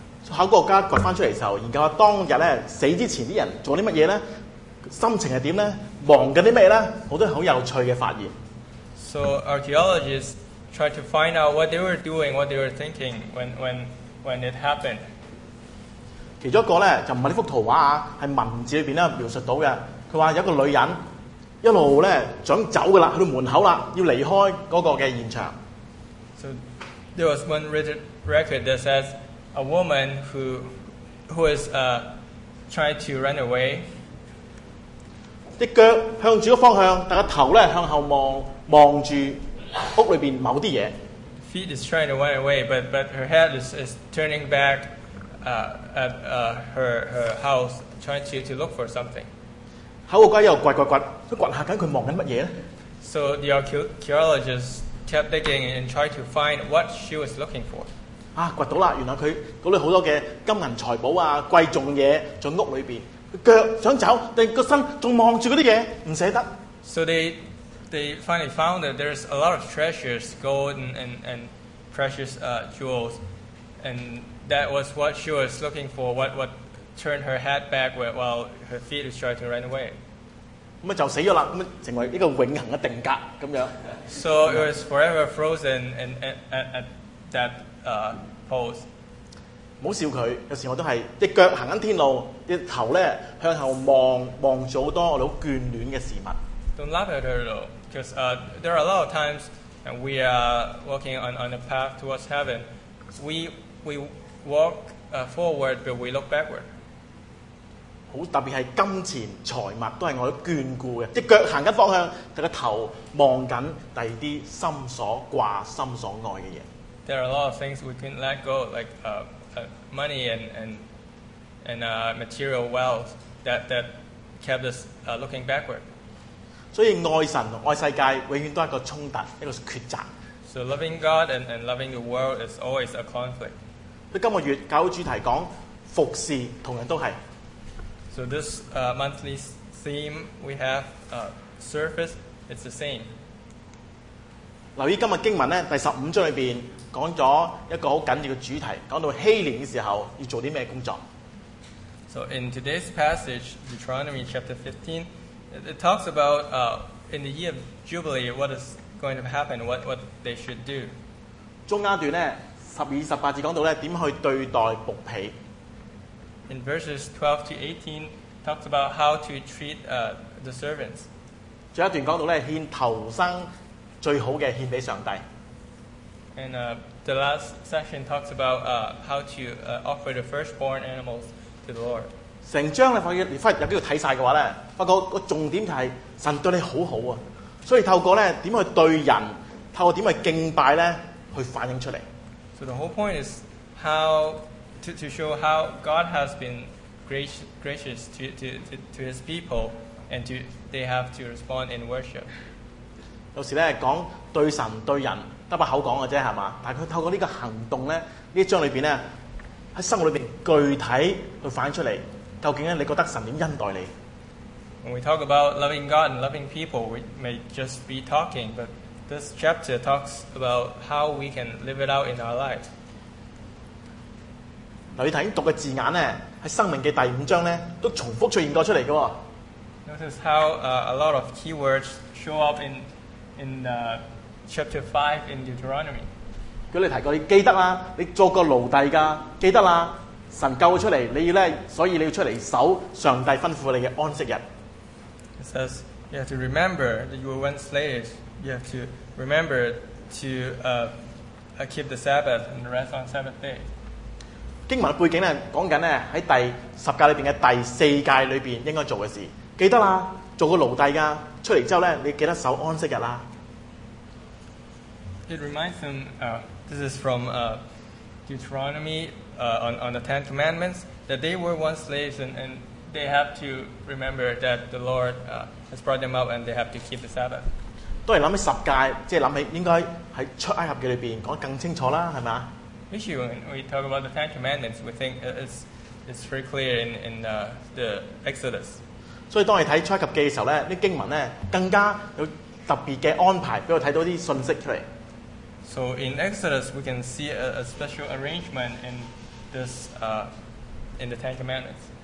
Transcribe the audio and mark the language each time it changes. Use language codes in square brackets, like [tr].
[yue] 考古學家掘翻出嚟時候，研究下當日咧死之前啲人做啲乜嘢咧，心情係點咧，忙緊啲咩咧，好多好有趣嘅發現。 [en] So archaeologists tried to find out what they were doing, what they were thinking when it happened. [yue] 其中一個咧就唔係呢幅圖畫啊，係文字裏邊咧描述到嘅。佢話有一個女人一路咧想走噶啦，去到門口啦，要離開嗰個嘅現場。 [en] So there was one written record that says a woman who is trying to run away. [yue] 的腳向住個方向，但個頭咧向後望，望住屋裏邊某啲嘢。 [en] Feet is trying to run away, but her head is turning back at her house, trying to look for something. [yue] 考古家又掘，掘下緊佢望緊乜嘢咧 [en] ？So the archaeologist kept digging and tried to find what she was looking for. [yue] 啊，掘到啦！原來佢嗰裏好多嘅金銀財寶啊，貴重嘢，仲屋裏邊。腳想走，但個身仲望住嗰啲嘢，唔捨得。 [en] So they finally found that there's a lot of treasures, gold and precious jewels, and that was what she was looking for. What turned her head back while her feet is trying to run away. [yue] 咁就死咗啦，咁成為一個永恆嘅定格咁樣。 [en] So it was forever frozen at that pose. [yue] 唔好笑佢，有時我都係隻腳行緊天路，隻頭咧向後望，望住好多我哋好眷戀嘅事物。 [en] Don't laugh at her though, because there are a lot of times we are walking on a path towards heaven. We walk forward, but we look backward. [yue] 好特別係金錢財物都係我哋眷顧嘅，隻腳行緊方向，但個頭望緊第二啲心所掛、心所愛嘅嘢。 [en] There are a lot of things we couldn't let go, like money and material wealth that kept us looking backward. [yue] 所以爱神爱世界永远都系一个冲突，一个抉择。 [en] So loving God and loving the world is always a conflict. [yue] 所以今个月教会主题讲服侍，同样都系。 [en] So this monthly theme we have surface, it's the same. [yue] 留意今日经文咧，第十五章里边。讲咗一个好紧要嘅主题，讲到禧年嘅时候要做啲咩工作。 [en] So in today's passage, Deuteronomy chapter 15, it talks about in the year of Jubilee, what is going to happen, what they should do. [yue] 中间段咧，十二十八节讲到咧，点去对待仆婢。 [en] In verses 12 to 18, it talks about how to treat the servants. [yue] 最后一段讲到咧，献头生最好嘅献俾上帝。 [en] And the last section talks about how to offer the firstborn animals to the Lord. [yue] 成章咧，你入边睇晒嘅话咧，发觉个重点就系神对你好好啊。所以透过咧点去对人，透过点去敬拜咧，去反映出嚟。 [en] So the whole point is to show how God has been gracious to His people, and they have to respond in worship. [yue] 有时咧讲对神对人。得把口講嘅啫，係嘛？但佢透過呢個行動咧，呢章裏邊咧，喺生活裏邊具體去反映出嚟，究竟咧你覺得神點恩待你 [en] ？When we talk about loving God and loving people, we may just be talking, but this chapter talks about how we can live it out in our life. [yue] 留意頭先讀嘅字眼咧，喺《生命記》第五章咧，都重複出現過出嚟嘅喎。 [en] Notice how a lot of keywords show up in the Chapter 5 in Deuteronomy. [yue] 佢哋提过，你记得啦，你做个奴隶噶，记得啦，神救咗出嚟，你要咧，所以你要出嚟守上帝吩咐你嘅安息日。 [en] It says you have to remember that you were once slaves. You have to remember to keep the Sabbath and rest on seventh day. [yue] 经文背景咧，讲紧咧喺第十诫里边嘅第四诫里边应该做嘅事，记得啦，做个奴隶噶，出嚟之后咧，你记得守安息日啦。 [en] It reminds them, this is from Deuteronomy on the Ten Commandments, that they were once slaves and they have to remember that the Lord has brought them up and they have to keep the Sabbath. [yue] 都係諗起十戒，即係諗起應該喺出埃及記裏邊講更清楚啦，係嘛 [en] ？Usually when we talk about the Ten Commandments, we think it's very clear in the Exodus. [yue] 所以當我睇出埃及記嘅時候咧，啲經文咧更加有特別嘅安排，俾我睇到啲信息出嚟。 [en] So in Exodus, we can see a special arrangement in this in the Ten Commandments.